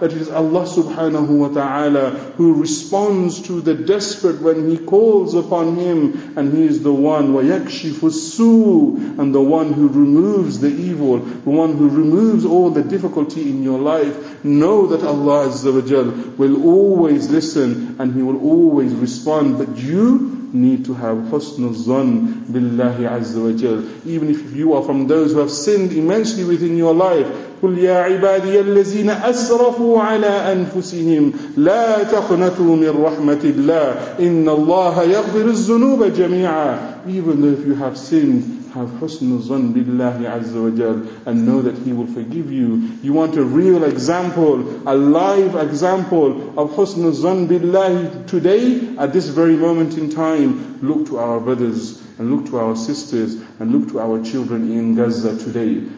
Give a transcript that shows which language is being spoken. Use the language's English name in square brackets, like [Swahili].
[English] That is Allah subhanahu wa ta'ala who responds to the desperate when he calls upon him, and he is the one, [Arabic] وَيَكْشِفُ السُّوءَ, [English] and the one who removes the evil, the one who removes all the difficulty in your life. Know that Allah azza wa jal will always listen, and he will always respond. But you need to have husnul zan billahi azza wa jal. Even if you are from those who have sinned immensely within your life, [Arabic] قُلْ يَا عِبَادِيَ الَّذِينَ أَسْرَفُوا عَلَىٰ أَنفُسِهِمْ لَا تَقْنَتُوا مِنْ رَحْمَةِ اللَّهِ إِنَّ اللَّهَ يَغْفِرُ الذُّنُوبَ جَمِيعًا. [English] Even though if you have sinned, have husnul zan billahi azza wa jal, and know that he will forgive you. You want a real example, a live example of husnul zan billahi today, at this very moment in time, look to our brothers and look to our sisters and look to our children in Gaza today.